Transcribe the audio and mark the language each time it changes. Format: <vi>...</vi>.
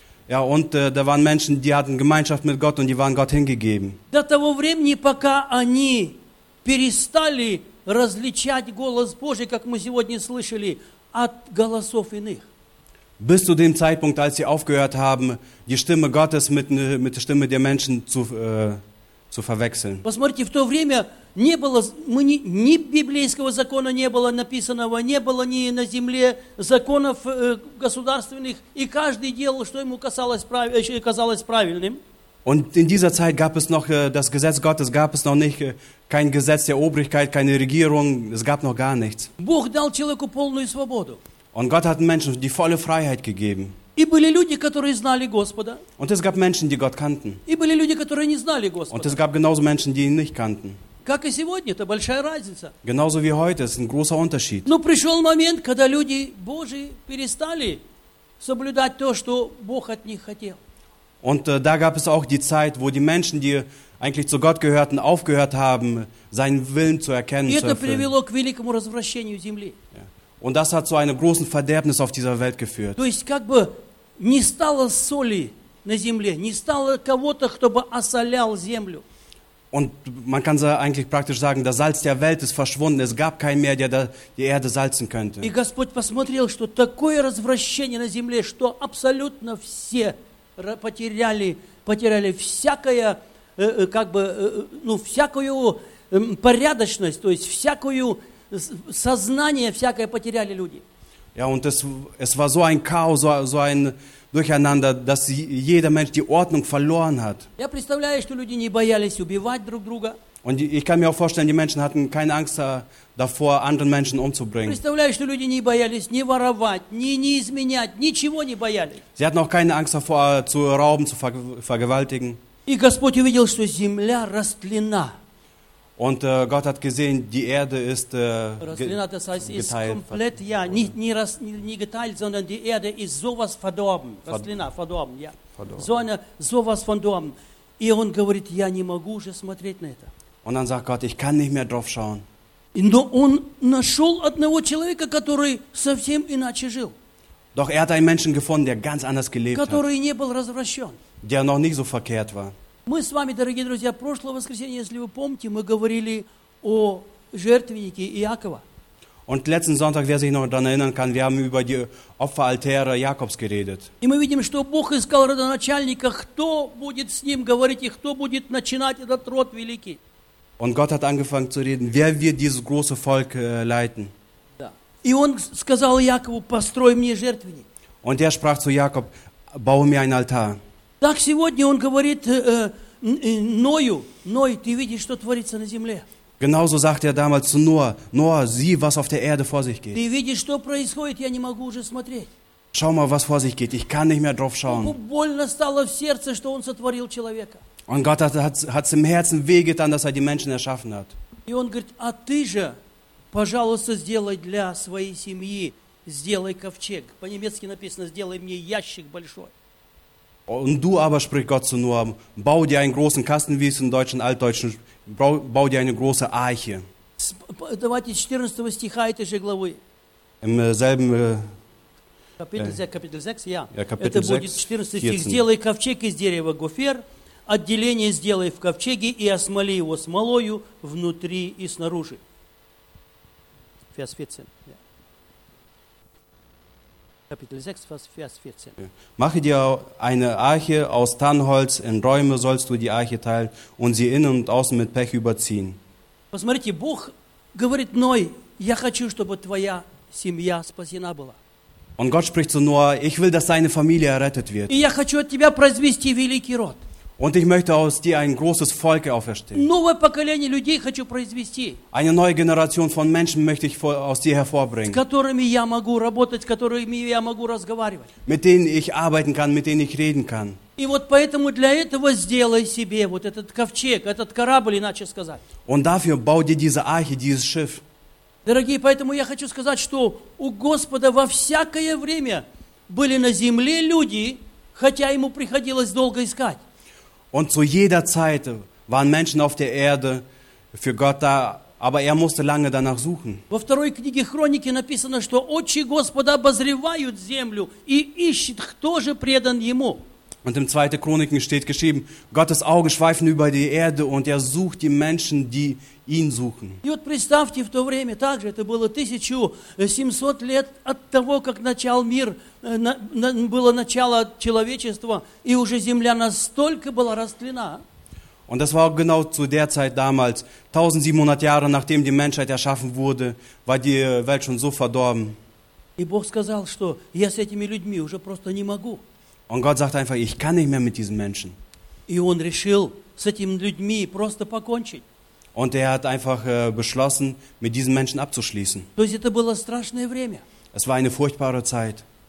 <de>Ja, und da waren Menschen, die hatten Gemeinschaft mit Gott und die waren Gott hingegeben.</de> <ru>До того времени, пока они перестали различать голос Божий, как мы сегодня слышали, от голосов иных.</ru> <de>Bis zu dem Zeitpunkt, als sie aufgehört haben, die Stimme Gottes mit der Stimme der Menschen zu verwechseln.</de> <ru>Посмотрите, в то время не было, ни библейского закона не было написанного, не было ни на земле законов государственных, и каждый делал, что ему казалось правильным.</ru> <de>Und in dieser Zeit gab es noch das Gesetz Gottes, gab es noch nicht kein Gesetz der Obrigkeit, keine Regierung, es gab noch gar nichts.</de> <ru>Бог дал человеку полную свободу.</ru> <de>Und Gott hat Menschen die volle Freiheit gegeben.</de> <ru>И были люди, которые знали Господа.</ru> <de>Und es gab Menschen, die Gott kannten.</de> <ru>И были люди, которые не знали Господа.</ru> <de>Und es gab genauso Menschen, die ihn nicht kannten.</de> <ru>Как и сегодня, это большая разница.</ru> <de>Genauso wie heute, ist ein großer Unterschied.</de> <ru>Но пришел момент, когда люди Божии перестали соблюдать то, что Бог от них хотел.</ru> <de>Und da gab es auch die Zeit, wo die Menschen, die eigentlich zu Gott gehörten, aufgehört haben, seinen Willen zu erkennen, zu erfüllen.</de> <ru>Это привело к великому развращению земли.</ru> <de>Und das hat zu einem großen Verderbnis auf dieser Welt geführt.</de> <ru>То есть как бы не стало соли на земле, не стало кого-то, кто бы осолял землю.</ru> <de>Und man kann eigentlich praktisch sagen, das Salz der Welt ist verschwunden. Es gab keinen mehr, der die Erde salzen könnte.</de> <ru>И Господь посмотрел, что такое развращение на земле, что абсолютно все потеряли всякое, как бы, ну, всякую порядочность, то есть всякую сознание всякое потеряли люди.</ru> <de>Ja, und es war so ein Chaos, so ein Durcheinander, dass jeder Mensch die Ordnung verloren hat.</de> <ru>Я представляю, что люди не боялись убивать друг друга.</ru> <de>Und ich kann mir auch vorstellen, die Menschen hatten keine Angst davor, anderen Menschen umzubringen.</de> <ru>Представляю, что люди не боялись ни воровать, ни изменять, ничего не боялись.</ru> <de>Sie hatten auch keine Angst davor, zu rauben, zu vergewaltigen.</de> <ru>И Господь увидел, что земля растлена.</ru> <de>Und Gott hat gesehen, die Erde ist geteilt. Das heißt, ist komplett, ja, nicht geteilt, sondern die Erde ist sowas verdorben. Verdorben, ja. Sowas verdorben. Und er</de> <ru>говорит, я не могу уже смотреть на это.</ru> <de>Und dann sagt Gott, ich kann nicht mehr drauf schauen.</de> <ru>Но он нашел одного человека, который совсем иначе жил.</ru> <de>Doch er hat einen Menschen gefunden, der ganz anders gelebt</de> <ru>который</ru> <de>hat.</de> <ru>Не был развращен.</ru> <de>Der noch nicht so verkehrt war.</de> <ru>Мы с вами, дорогие друзья, в прошлое воскресенье, если вы помните, мы говорили о жертвеннике Иакова.</ru> <de>Und letzten Sonntag, wer sich noch daran erinnern kann, wir haben über die Opferaltäre Jakobs geredet.</de> <ru>И мы видим, что Бог искал родоначальника, кто будет с ним говорить и кто будет начинать этот род великий.</ru> <de>Und Gott hat angefangen zu reden, wer wird dieses große Volk leiten.</de> <ru>Да. И он сказал Якову, построй мне жертвенник.</ru> <de>Und er sprach zu Jakob, baue mir einen Altar.</de> <ru>Так сегодня он говорит Ною, Ной, ты видишь, что творится на земле.</ru> <de>Genauso sagt er damals zu Noah, Noah, sieh, was auf der Erde vor sich geht.</de> <ru>Ты видишь, что происходит, я не могу уже смотреть.</ru> <de>Schau mal, was vor sich geht, ich kann nicht mehr drauf schauen.</de> <ru>Больно стало в сердце, что он сотворил человека.</ru> <de>Und Gott hat es im Herzen wehgetan, dass er die Menschen erschaffen hat.</de> <ru>И он говорит, а ты же, пожалуйста, сделай для своей семьи, сделай ковчег. По-немецки написано, сделай мне ящик большой.</ru> <de>Und du aber, spricht Gott zu Noah, bau dir einen großen Kasten, wie es im Deutschen, Altdeutschen, bau dir eine große Arche.</de> <ru>Давайте 14 стиха этой же главы.</ru> <de>Im selben Kapitel 6, ja. Ja, Kapitel 6, 14.</de> <ru>Сделай ковчег из дерева гофер, отделение сделай в ковчеге и осмоли его смолою внутри и снаружи.</ru> <de>Vers 14, ja. Yeah. Kapitel 6, Vers 14. Mache dir eine Arche aus Tannholz, in Räume sollst du die Arche teilen und sie innen und außen mit Pech überziehen.</de> <ru>Посмотрите, Бог говорит Ной, я хочу, чтобы твоя семья спасена была.</ru> <de>Und Gott spricht zu Noah, ich will, dass deine Familie errettet wird.</de> <ru>И я хочу от тебя произвести великий род.</ru> <de>Und ich möchte aus dir ein großes Volk auferstehen.</de> <ru>Новое поколение людей хочу произвести.</ru> <de>Eine neue Generation von Menschen möchte ich aus dir hervorbringen.</de> <ru>С которыми я могу работать, с которыми я могу разговаривать.</ru> <de>Mit denen ich arbeiten kann, mit denen ich reden kann.</de> <ru>И вот поэтому для этого сделай себе вот этот ковчег, этот корабль, иначе сказать.</ru> <de>Und dafür bau dir diese Arche, dieses Schiff.</de> <ru>Дорогие, поэтому я хочу сказать, что у Господа во всякое время были на земле люди, хотя ему приходилось долго искать.</ru> <de>Und zu jeder Zeit waren Menschen auf der Erde für Gott da, aber er musste lange danach suchen.</de> <ru>Во второй книге Хроники написано, что очи Господа обозревают землю и ищет, кто же предан ему.</ru> <de>Und im 2. Chroniken steht geschrieben, Gottes Augen schweifen über die Erde und er sucht die Menschen, die ihn suchen.</de> <ru>И вот представьте, в то время также это было 1700 лет от того, как начал мир, было начало человечества, и уже земля настолько была растлена.</ru> <de>Und das war auch genau zu der Zeit damals, 1700 Jahre nachdem die Menschheit erschaffen wurde, war die Welt schon so verdorben.</de> <ru>И Бог сказал, что я с этими людьми уже просто не могу.</ru> <de>Und Gott sagt einfach, ich kann nicht mehr mit diesen Menschen. Und er hat einfach beschlossen, mit diesen Menschen abzuschließen. Es war eine furchtbare Zeit.</de>